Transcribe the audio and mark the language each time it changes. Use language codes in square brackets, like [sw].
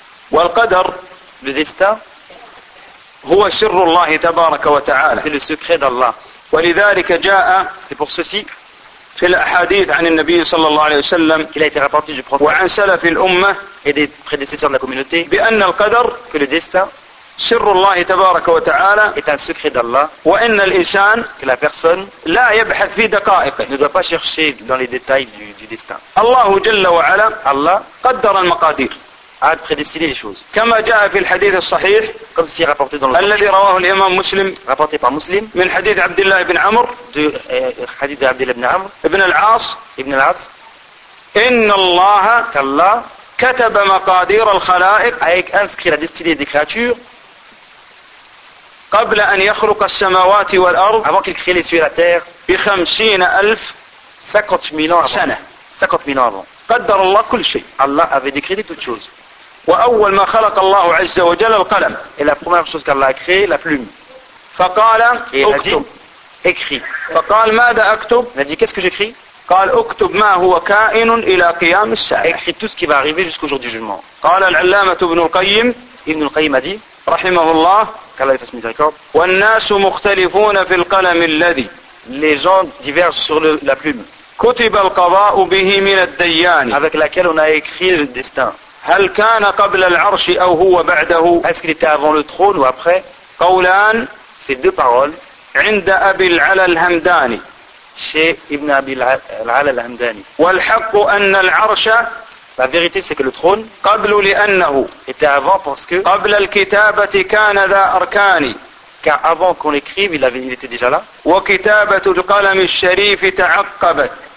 [ar] والقدر. [fr] Le destin. [ar] هو سر الله تبارك وتعالى. [fr] C'est le secret d'Allah. [ar] ولذلك جاء. [fr] C'est pour ceci. [ar] في الأحاديث عن النبي صلى الله عليه وسلم. [fr] Qu'il a été rapporté du prophète. [ar] وعن سلف الأمة. [fr] Et des prédécesseurs de la communauté. [ar] بأن القدر. [fr] Que le destin. [ar] سر الله تبارك وتعالى. [fr] Est un secret d'Allah. [ar] وإن الإنسان. [fr] Que la personne. [ar] لا يبحث في دقائق. [fr] Ne doit pas chercher dans les détails du destin. [ar] الله جل وعلا. [fr] Allah. [ar] قدر المقادير. [fr] À prédestiner les choses. [ar] كما جاء في الحديث الصحيح, [fr] comme ceci est rapporté dans le [ar] الذي رواه الإمام مسلم, [fr] rapporté par Muslim, [ar] من حديث عبد الله بن عمر, حديث عبد الله بن عمر, ابن العاص, ابن العاص, إن الله, كالله, كتب مقادير الخلائق, [fr] a inscrit la destinée des créatures, [ar] قبل أن يخلق السماوات والأرض, [fr] avant qu'il crée les cieux et la terre, [ar] بخمسين ألف, [fr] 50,000 ans [ar] سنة, [fr] 50,000 ans avant. [ar] قدر الله كل شيء. [fr] Allah avait décrété toutes choses. [ar] وأول ما خلق الله عز وجل القلم. [fr] Et la première chose qu'Allah a créé, la plume. [ar] فقال اكتب. [fr] Écrit. [ar] فقال ماذا أكتب؟ [fr] Il a dit qu'est-ce que j'écris؟ [ar] قال اكتب ما هو كائن إلى قيام الساعة. [fr] Écrit tout ce qui va arriver jusqu'au jour du jugement. [ar] قال العلامة ابن القيم. [fr] Ibn al-Qayyim a dit. [ar] رحمه الله. [fr] Qu'Allah lui fasse miséricorde. [ar] والناس مختلفون في القلم الذي. [fr] Les gens divergent sur la plume. [ar] كتب القضاء به من الديان. [fr] Avec laquelle on a écrit le destin. [ar] هل كان قبل العرش أو هو بعده؟ [fr] Est-ce qu'il était avant le trône ou après؟ [ar] قولان. [fr] Ces deux paroles. [ar] عند أبي العلا الهمداني. [fr] Chez ابن أبي العلا الهمداني. [ar] والحق أن العرش. [fr] La vérité c'est que le trône. [ar] قبل لأنه. [fr] Était avant parce que. [ar] قبل الكتابة كان ذا أركاني. [fr] Car avant qu'on écrive, il était déjà là. [ar] وكتابه القلم الشريف تعقبت.